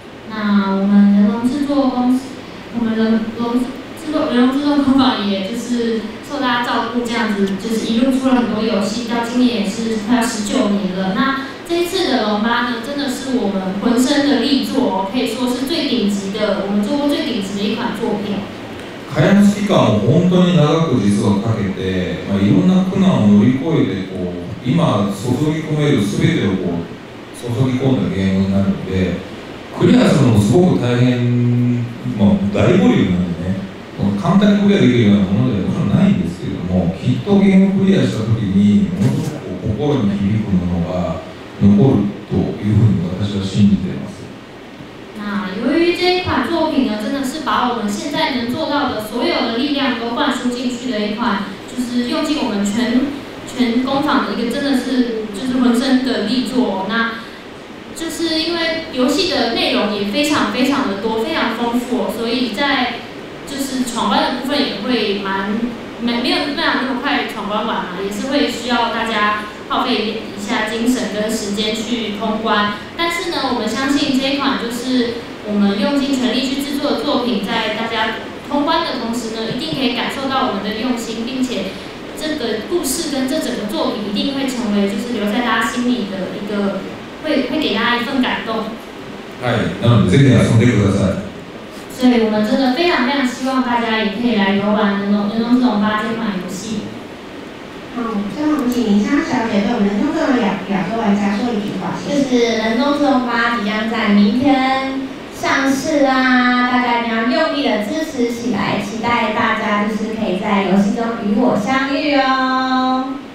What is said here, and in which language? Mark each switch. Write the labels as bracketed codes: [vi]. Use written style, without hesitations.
[zh] 那我们人龙制作公司，我们人龙制作工坊也就是受大家照顾，这样子就是一路出了很多游戏，到今年也是快要19年了。那这次的龙八呢，真的是我们浑身的力作，可以说是最顶级的，我们做过最顶级的一款作品。 [ja] 開発期間を本当に長く実はかけて、いろんな苦難を乗り越えてこう今注ぎ込めるすべてをこう注ぎ込んだゲームになるので。クリアするのもすごく大変、大ボリュームなんでね、簡単にクリアできるようなものではもちろんないんですけども、きっとゲームクリアしたときに、ものすごく心に響くものが残るというふうに私は信じています。 [zh] 那由于这一款作品呢，真的是把我们现在能做到的所有的力量都灌输进去的一款，就是用尽我们全工坊的一个真的是就是浑身的力作。那就是因为游戏的内容也非常非常的多，非常丰富，所以在就是闯关的部分也会没有那么快闯关完嘛，也是会需要大家耗费一下精神跟时间去通关。但是呢，我们相信这一款就是我们用尽全力去制作的作品，在大家通关的同时呢，一定可以感受到我们的用心，并且这个故事跟这整个作品一定会成为就是留在大家心里的一个。会给大家一份感动。 [ja] はい、なので、ぜひ遊んでください。 [zh] 所以，我们真的非常非常希望大家也可以来游玩《人龙之龙八》这款游戏。好，最后我们请林莎小姐对我们人中之龙亚洲玩家说一句话，就是人中之龙八即将在明天上市啦，大家你要用力的支持起来，期待大家就是可以在游戏中与我相遇哦。